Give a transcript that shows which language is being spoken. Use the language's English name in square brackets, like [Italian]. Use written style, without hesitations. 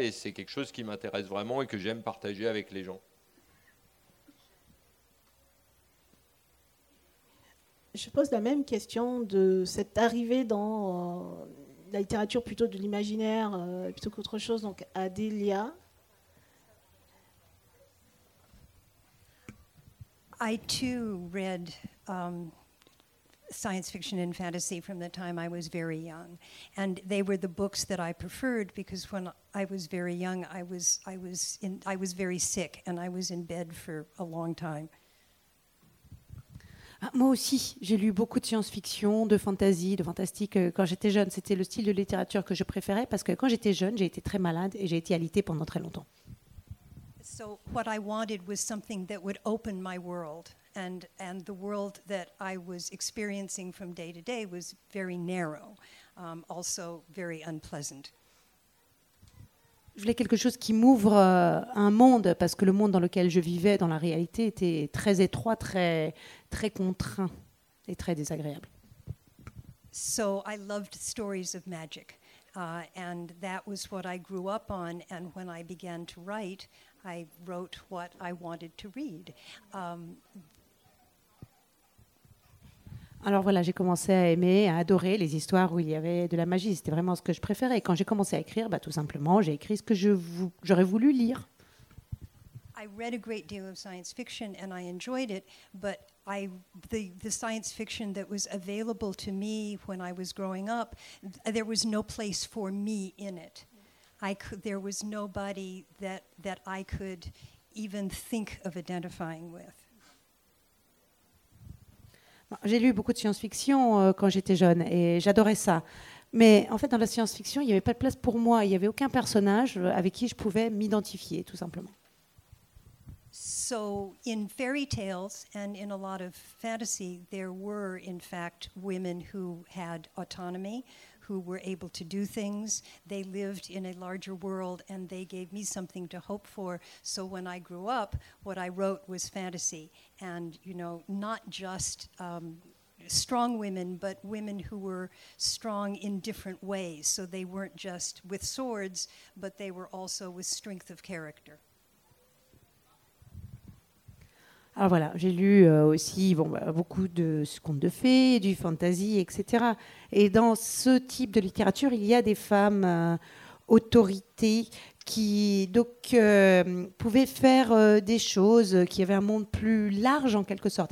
[French] Et c'est quelque chose qui m'intéresse vraiment et que j'aime partager avec les gens. Je pose la même question de cette arrivée dans la littérature plutôt de l'imaginaire, plutôt qu'autre chose, donc Adélia. [English] I too read science fiction and fantasy from the time I was very young, and they were the books that I preferred because when I was very young, I was very sick and I was in bed for a long time. [French] Moi aussi, j'ai lu beaucoup de science-fiction, de fantasy, de fantastique quand j'étais jeune. C'était le style de littérature que je préférais parce que quand j'étais jeune, j'ai été très malade et j'ai été alitée pendant très longtemps. [English] So what I wanted was something that would open my world. And the world that I was experiencing from day to day was very narrow, also very unpleasant. [French] Je voulais quelque chose qui m'ouvre un monde, parce que le monde dans lequel je vivais, dans la réalité, était très étroit, très, très contraint et très désagréable. [English] So I loved stories of magic, and that was what I grew up on, and when I began to write, I wrote what I wanted to read. [French] Alors voilà, j'ai commencé à aimer, à adorer les histoires où il y avait de la magie. C'était vraiment ce que je préférais. Quand j'ai commencé à écrire, tout simplement, j'ai écrit ce que j'aurais voulu lire. [English] I read a great deal of science fiction and I enjoyed it, but the science fiction that was available to me when I was growing up, there was no place for me in it. There was nobody that I could even think of identifying with. [French] J'ai lu beaucoup de science-fiction quand j'étais jeune et j'adorais ça. Mais en fait, dans la science-fiction, il n'y avait pas de place pour moi. Il n'y avait aucun personnage avec qui je pouvais m'identifier, tout simplement. [English] So, in fairy tales and in a lot of fantasy, there were, in fact, women who had autonomy, who were able to do things. They lived in a larger world and they gave me something to hope for. So when I grew up, what I wrote was fantasy. And, you know, not just strong women, but women who were strong in different ways. So they weren't just with swords, but they were also with strength of character. [French] Alors voilà, j'ai lu aussi beaucoup de contes de fées, du fantasy, etc. Et dans ce type de littérature, il y a des femmes autorités qui donc pouvaient faire des choses, qui avaient un monde plus large en quelque sorte.